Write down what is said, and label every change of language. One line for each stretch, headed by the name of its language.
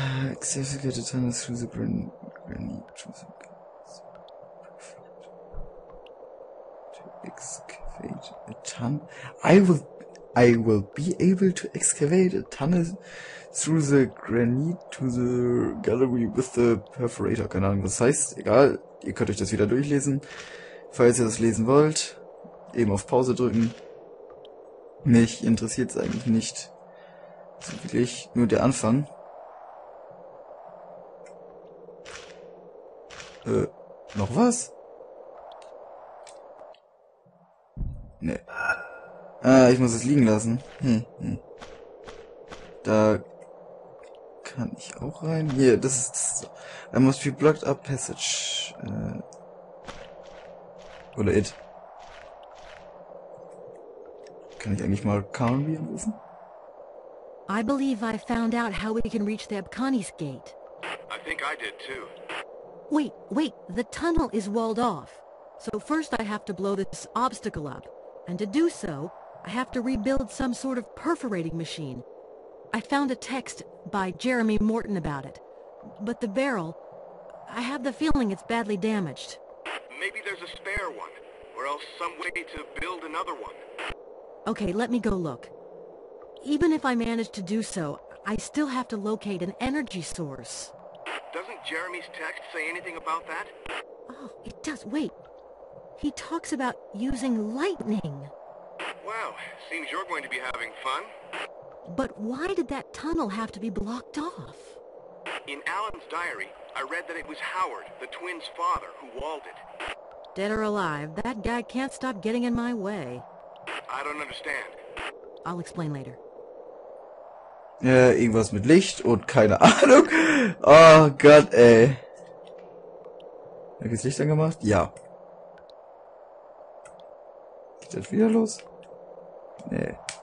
English: Accessibility Tunnels through the granite. To excavate a tunnel. I will be able to excavate a tunnel through the granite to the gallery with the perforator.
German: Keine Ahnung, was heißt. Egal, ihr könnt euch das wieder durchlesen. Falls ihr das lesen wollt, eben auf Pause drücken. Mich interessiert es eigentlich nicht so wirklich, nur der Anfang. Noch was? Nee. Ah, ich muss es liegen lassen. Da kann ich auch rein. Hier, das ist.
English: I must be blocked up passage.
German: Oder it. Kann ich eigentlich mal Carnby anrufen?
English: I believe I found out how we can reach the Epcani's gate. I think I did too. Wait, wait, the tunnel is walled off. So first I have to blow this obstacle up. And to do so, I have to rebuild some sort of perforating machine. I found a text by Jeremy Morton about it. But the barrel, I have the feeling it's badly damaged. Maybe there's a spare one, or else some way to build another one. Okay, let me go look. Even if I manage to do so, I still have to locate an energy source. Doesn't Jeremy's text say anything about that? Oh, it does. Wait. He talks about using lightning. Well, seems you're going to be having fun. But why did that tunnel have to be blocked off? In Alan's diary, I read that it was Howard, the twins' father, who walled it. Dead or alive, that guy can't stop getting in my way. I don't understand. I'll explain later.
German: Irgendwas mit Licht und keine Ahnung. Oh Gott, ey. Hab ich das Licht angemacht? Ja. Geht das wieder los? Nee.